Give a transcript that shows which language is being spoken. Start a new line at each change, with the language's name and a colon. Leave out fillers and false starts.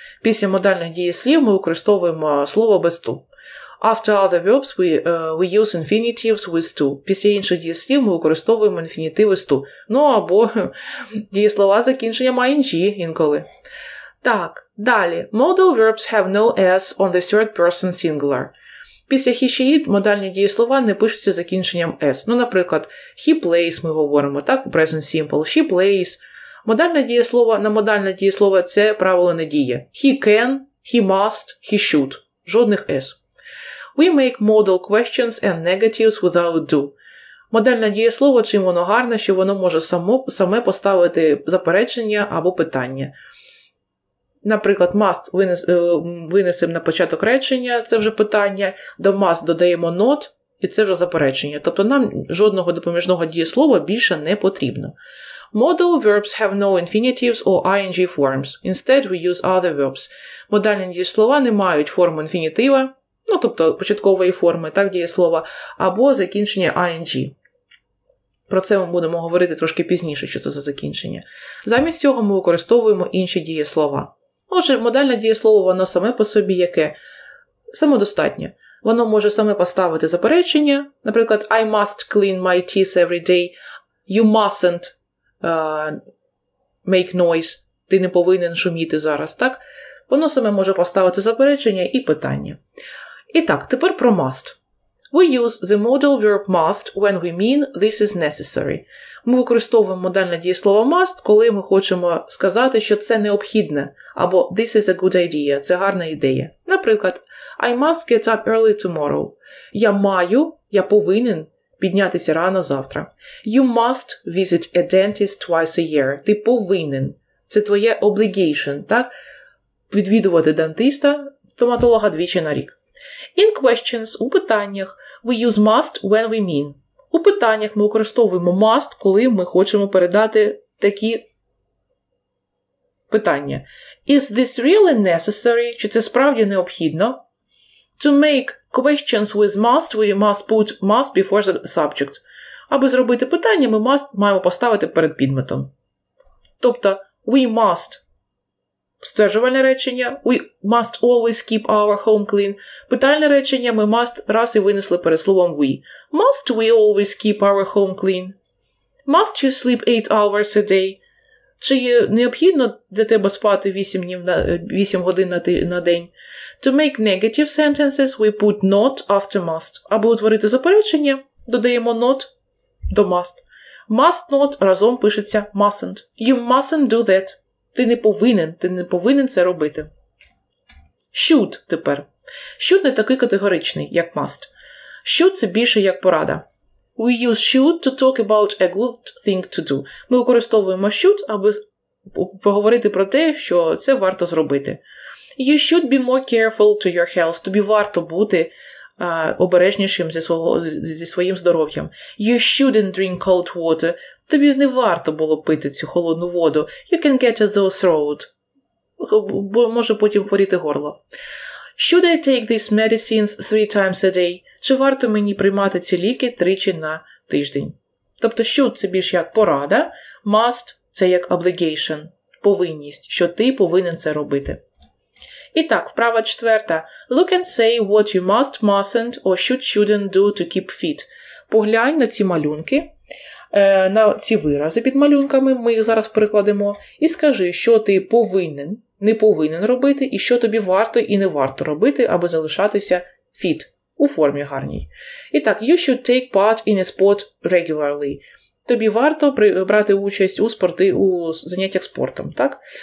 Ukrainian: Після модальних дієслів ми використовуємо слово без to.
English: After other verbs we use infinitives with to.
Ukrainian: Після інших дієслів ми використовуємо інфінітиви з to. Ну або дієслова закінченням ing інколи. Так, далі.
English: Modal verbs have no s on the third person singular.
Ukrainian: Після he, she, it модальні дієслова не пишуться закінченням s. Ну, наприклад,
English: he plays,
Ukrainian: ми говоримо, так, в
English: present simple, she plays.
Ukrainian: Модальне дієслово, на модальне дієслово це правило не діє.
English: He can, he must, he should.
Ukrainian: Жодних s.
English: We make modal questions and negatives without do.
Ukrainian: Модальне дієслово, чим воно гарне, що воно може саме поставити заперечення або питання. Наприклад, must винесемо на початок речення, це вже питання, до must додаємо not, і це вже заперечення. Тобто нам жодного допоміжного дієслова більше не потрібно.
English: Modal verbs have no infinitives or ing forms. Instead, we use other verbs.
Ukrainian: Модальні дієслова не мають форму інфінітива, ну, тобто початкової форми, так дієслова, або закінчення ing. Про це ми будемо говорити трошки пізніше, що це за закінчення. Замість цього ми використовуємо інші дієслова. Отже, модальне дієслово, воно саме по собі яке? Самодостатнє. Воно може саме поставити заперечення.
English: Наприклад, I must clean my teeth every day. You mustn't make noise.
Ukrainian: Ти не повинен шуміти зараз, так? Воно саме може поставити заперечення і питання. І так, тепер про must.
English: We use the modal verb must when we mean this is necessary.
Ukrainian: Ми використовуємо модальне дієслово must, коли ми хочемо сказати, що це необхідне, або
English: this is a good idea,
Ukrainian: це гарна ідея.
English: Наприклад, I must get up early tomorrow.
Ukrainian: Я повинен піднятися рано завтра.
English: You must visit a dentist twice a year.
Ukrainian: Ти повинен. Це твоє obligation, так? Відвідувати дантиста, стоматолога двічі на рік.
English: In questions,
Ukrainian: у питаннях,
English: we use must when we mean.
Ukrainian: У питаннях ми використовуємо must, коли ми хочемо передати такі питання.
English: Is this really necessary?
Ukrainian: Чи це справді необхідно?
English: To make questions with must, we must put must before the subject.
Ukrainian: Аби зробити питання, ми must маємо поставити перед підметом. Тобто,
English: we must.
Ukrainian: Стверджувальне речення
English: – we must always keep our home clean.
Ukrainian: Питальне речення – ми must раз і винесли перед словом we.
English: Must we always keep our home clean? Must you sleep 8 hours a day?
Ukrainian: Чи необхідно для тебе спати 8 годин на день?
English: To make negative sentences – we put not after must.
Ukrainian: Аби утворити заперечення – додаємо not до must.
English: Must not –
Ukrainian: разом пишеться
English: mustn't. You mustn't do that.
Ukrainian: Ти не повинен це робити. Should тепер. Should не такий категоричний, як must. Should – це більше як порада.
English: We use should to talk about a good thing to do.
Ukrainian: Ми використовуємо should, аби поговорити про те, що це варто зробити.
English: You should be more careful to your health.
Ukrainian: Тобі варто бути обережнішим зі своїм здоров'ям.
English: You shouldn't drink cold water.
Ukrainian: Тобі не варто було пити цю холодну воду.
English: You can get a sore throat.
Ukrainian: Може потім хворіти горло.
English: Should I take these medicines 3 times a day?
Ukrainian: Чи варто мені приймати ці ліки тричі на тиждень? Тобто should – це більш як порада, must – це як obligation, повинність, що ти повинен це робити. І так, вправа четверта.
English: Look and say what you must, mustn't or should, shouldn't do to keep fit.
Ukrainian: Поглянь на ці малюнки, на ці вирази під малюнками, ми їх зараз перекладемо, і скажи, що ти повинен, не повинен робити, і що тобі варто і не варто робити, аби залишатися fit, у формі гарній. І так,
English: you should take part in a sport regularly.
Ukrainian: Тобі варто брати участь у спорті, у заняттях спортом, так?